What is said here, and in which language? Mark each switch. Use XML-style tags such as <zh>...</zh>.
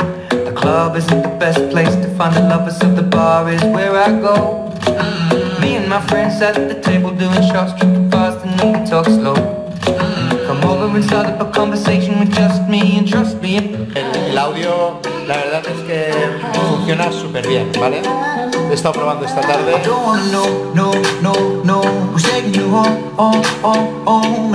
<en>The club isn't the best place to find the lovers, so the bar is where I go. Me and my friends at the table doing shots, tripping fast and then we talk slow. Come over and start up a conversation with just me and trust me.</en> <es>El audio, la verdad es que funciona súper bien, ¿vale? He estado probando esta tarde.</es> <en>I don't wanna know, no, no, no. Who's taking you home, home, home, home?</en>